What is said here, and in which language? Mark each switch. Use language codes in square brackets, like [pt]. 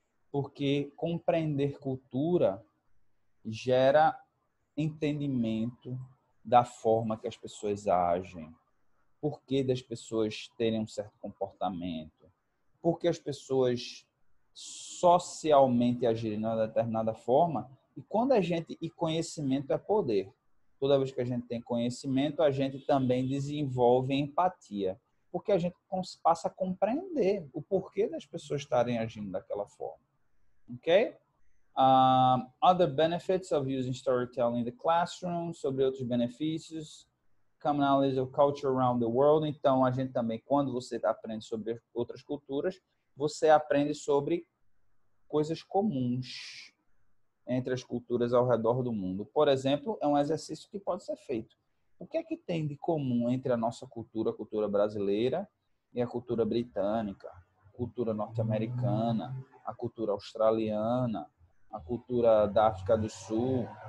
[pt] Porque compreender cultura gera entendimento da forma que as pessoas agem, por que das pessoas terem um certo comportamento, por que as pessoas socialmente agirem de uma determinada forma. E conhecimento é poder. Toda vez que a gente tem conhecimento, a gente também desenvolve empatia, porque a gente passa a compreender o porquê das pessoas estarem agindo daquela forma. Ok? [en] Other benefits of using storytelling in the classroom, [pt] sobre outros benefícios, [en] commonalities of culture around the world. [pt] Então, a gente também, quando você aprende sobre outras culturas, você aprende sobre coisas comuns entre as culturas ao redor do mundo. Por exemplo, é um exercício que pode ser feito. O que é que tem de comum entre a nossa cultura, a cultura brasileira, e a cultura britânica, cultura norte-americana, a cultura australiana, a cultura da África do Sul?